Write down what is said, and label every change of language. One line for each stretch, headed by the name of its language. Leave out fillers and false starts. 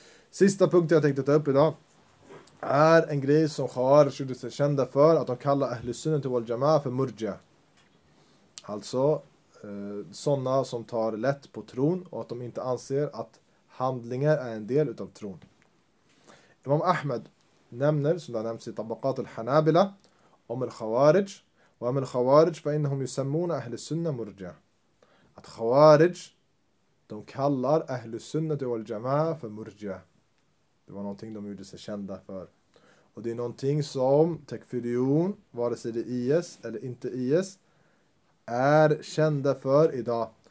Swedish: Sista punkten jag tänkte ta upp idag är en grej som har gjort sig kända för, att de kallar ahlussunnah wal jamaa för murja, alltså sådana som tar lätt på tron, och att de inte anser att handlingar är en del utav tron. Imam Ahmed nämner, som det har nämnts i Tabaqat al-Hanabila, om al-Khawarij,
Arabic: وأما الخوارج فإنهم يسمون أهل السنة مرجع.
Swedish: الخوارج de kallar Ahlus Sunnah wal Jamaa för murja. Det var någonting de gjorde sig kända för. Och det är någonting som Takfiriyun, vare sig det är IS eller inte IS, är kända för idag.